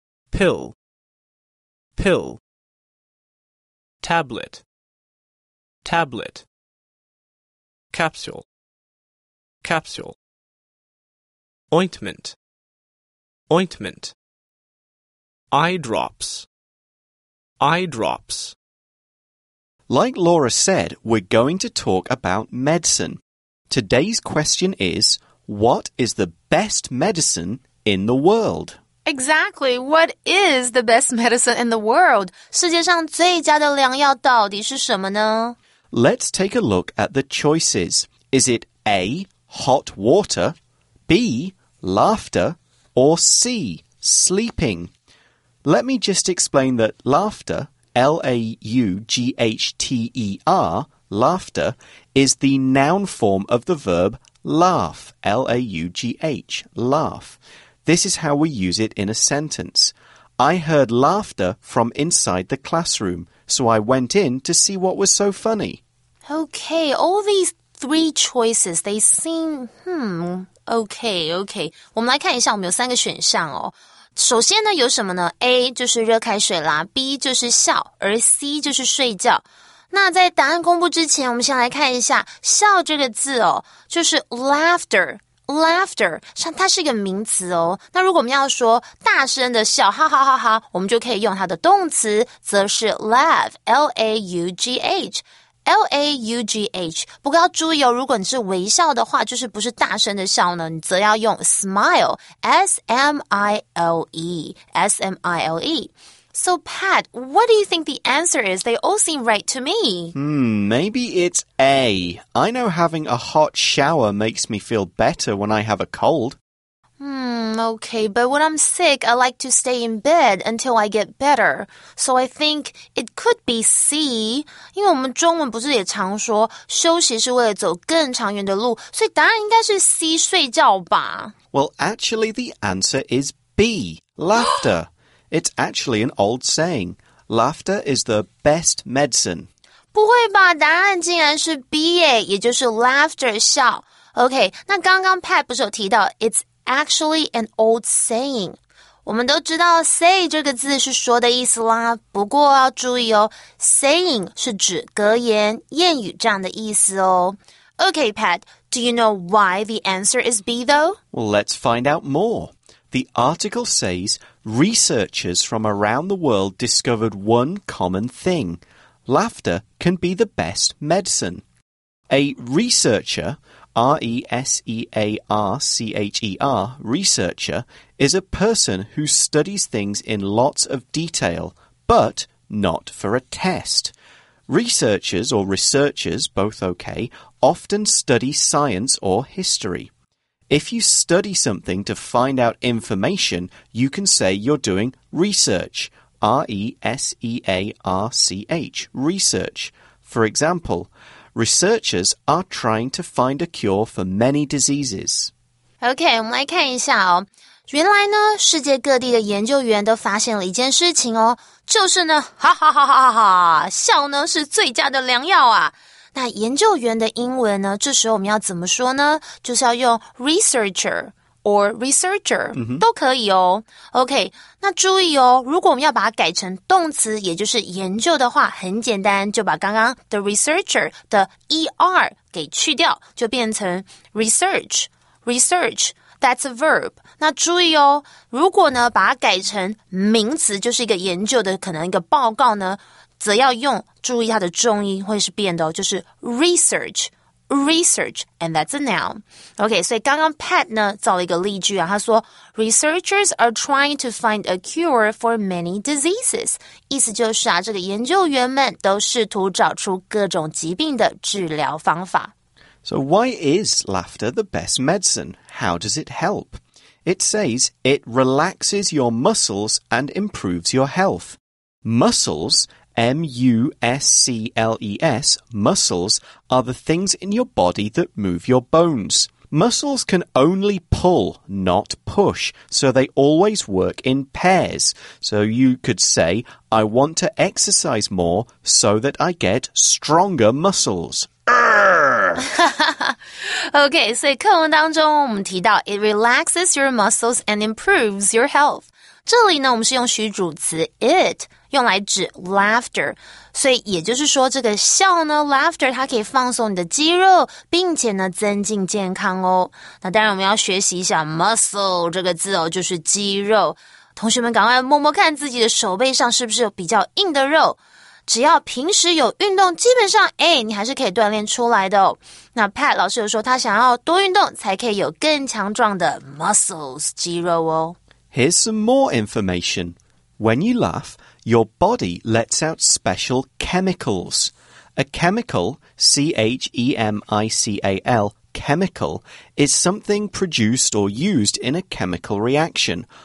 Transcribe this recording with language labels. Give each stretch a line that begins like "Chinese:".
English: Pill. Pill. Tablet. Tablet. Capsule. Capsule. Ointment. Ointment. Eye drops. Eye drops. Like Laura said, we're going to talk about medicine. Today's question is, what is the best medicine in the world? Exactly. What is the best medicine in the world?
Chinese: 世界上最佳的良药到底是什么呢?
English: Let's take a look at the choices. Is it A, hot water, B, laughter,Or C, sleeping. Let me just explain that laughter, L-A-U-G-H-T-E-R, laughter, is the noun form of the verb laugh, L-A-U-G-H, laugh. This is how we use it in a sentence. I heard laughter from inside the classroom, so I went in to see what was so funny. Okay, all these three choices, they seem, Okay.
Chinese: 我们来看一下我们有三个选项哦。首先呢有什么呢 ?A 就是热开水啦 ,B 就是笑而 C 就是睡觉。那在答案公布之前我们先来看一下笑这个字哦就是 laughter。 Laughter, 像它是一个名词哦。那如果我们要说大声的笑哈哈哈哈我们就可以用它的动词则是 laugh, L-A-U-G-H。 L-A-U-G-H 不过要注意哦如果你是微笑的话就是不是大声的笑呢你则要用 smile S-M-I-L-E S-M-I-L-E
English: So Pat, what do you think the answer is? They all seem right to me Maybe it's A I know having a hot shower makes me feel better when I have a cold Okay, but when I'm sick, I like to stay in bed until I get better. So I think it could be C.
Chinese: 因为我们中文不是也常说休息是为了走更长远的路，所以答案应该是 C, 睡觉吧。
English: Well, actually, the answer is B, laughter. It's actually an old saying. Laughter is the best medicine.
Chinese: 不会吧，答案竟然是 B 耶，也就是 laughter, 笑。 Okay, 那刚刚 Pat 不是有提到
English: it's actually an old saying.
Chinese: 我们都知道 say 这个字是说的意思啦，不过要注意哦， saying 是指格言、谚语这样的意思哦。
English: Okay, Pat, do you know why the answer is B, though? Well, let's find out more. The article says, researchers from around the world discovered one common thing. Laughter can be the best medicine. A researcher, R-E-S-E-A-R-C-H-E-R, researcher, is a person who studies things in lots of detail, but not for a test. Researchers or researchers, both okay, often study science or history. If you study something to find out information, you can say you're doing research, R-E-S-E-A-R-C-H, research. For example, researchers are trying to find a cure for many diseases.
Chinese: Okay, 我们来看一下哦。原来呢，世界各地的研究员都发现了一件事情哦，就是呢，哈哈哈哈哈，笑呢是最佳的良药啊。那研究员的英文呢，这时候我们要怎么说呢？就是要用
English: researcher or researcher、
Chinese: mm-hmm. 都可以哦。 OK， 那注意哦，如果我们要把它改成动词，也就是研究的话，很简单，就把刚刚 the researcher 的 er 给去掉，就变成 research research。
English: That's a verb.
Chinese: 那注意哦，如果呢把它改成名词，就是一个研究的可能一个报告呢，则要用，注意它的重音会是变的哦，就是 research, research,
English: and that's a noun. Okay,
Chinese: 所以刚刚 Pat 呢造了一个例句啊，他说
English: researchers are trying to find a cure for many diseases.
Chinese: 意思就是啊，这个研究员们都试图找出各种疾病的治疗方法。
English: So why is laughter the best medicine? How does it help? It says it relaxes your muscles and improves your health. Muscles, M-U-S-C-L-E-S, muscles are the things in your body that move your bones. Muscles can only pull, not push, so they always work in pairs. So you could say, I want to exercise more so that I get stronger muscles. OK,
Chinese: 所以课文当中我们提到
English: It relaxes your muscles and improves your health.
Chinese: 这里呢我们是用虚主词 it 用来指 laughter. 所以也就是说这个笑呢 laughter 它可以放松你的肌肉并且呢增进健康哦。那当然我们要学习一下 muscle 这个字哦，就是肌肉。同学们赶快摸摸看自己的手背上是不是有比较硬的肉。只要平时有运动，基本上哎，你还是可以锻炼出来的哦。那 Pat 老师有说，他想要多运动，才可以有更强壮的 muscles 肌肉哦。
English: Here's some more information. When you laugh, your body lets out special chemicals. A chemical, C-H-E-M-I-C-A-L, chemical, is something produced or used in a chemical reaction.